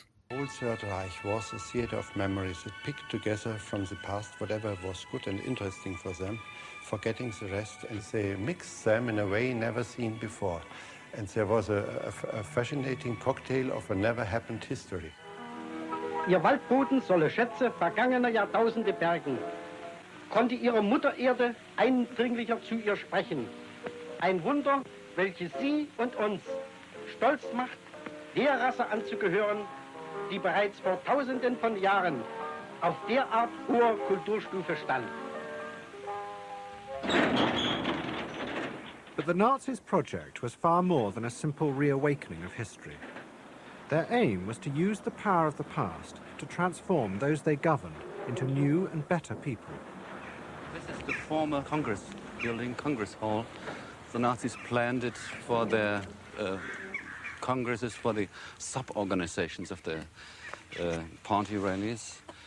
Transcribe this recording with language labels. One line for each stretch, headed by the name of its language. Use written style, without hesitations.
English: The whole Third Reich was a theater of memories that picked together from the past whatever was good and interesting for them, forgetting the rest, and they mixed them in a way never seen before. And there was a fascinating cocktail of a never-happened history.
German: Ihr Waldboden solle Schätze vergangener Jahrtausende bergen. Konnte ihre Mutter Erde eindringlicher zu ihr sprechen. Ein Wunder, welches sie und uns stolz macht, der Rasse anzugehören, die bereits vor tausenden von Jahren auf derart hoher Kulturstufe stand.
English: But the Nazis' project was far more than a simple reawakening of history. Their aim was to use the power of the past to transform those they governed into new and better people. This is the former Congress building, Congress Hall. The Nazis planned it for their congresses, for the sub-organizations of the party rallies.